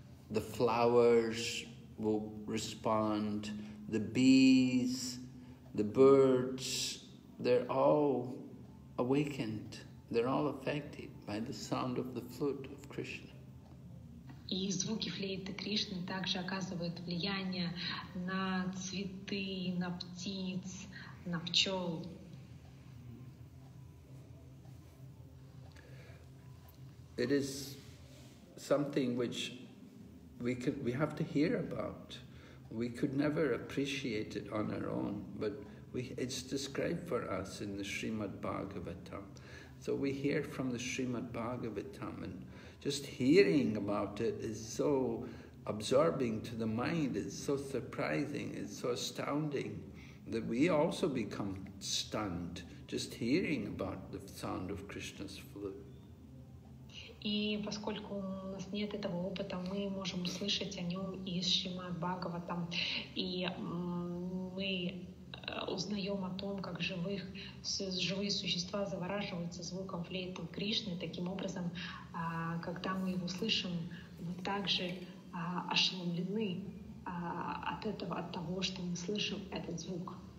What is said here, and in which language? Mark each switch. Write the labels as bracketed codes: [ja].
[en] The flowers will respond, the bees, the birds, they're all awakened, they're all affected by the sound of the flute of Krishna. [ru] И звуки флейты Кришны также оказывают влияние на цветы, на птиц, на пчел. [en] It is something which we have to hear about. We could never appreciate it on our own, but it's described for us in the Srimad Bhagavatam. So we hear from the Srimad Bhagavatam, and just hearing about it is so absorbing to the mind, it's so surprising, it's so astounding, that we also become stunned just hearing about the sound of Krishna's flute. [ru] И поскольку у нас нет этого опыта, мы можем услышать о нем из Шримад Бхагаватам, и мы узнаем о том, как живые существа завораживаются звуком флейты Кришны. Таким образом, когда мы его слышим, мы также ошеломлены от этого, от того, что мы слышим этот звук.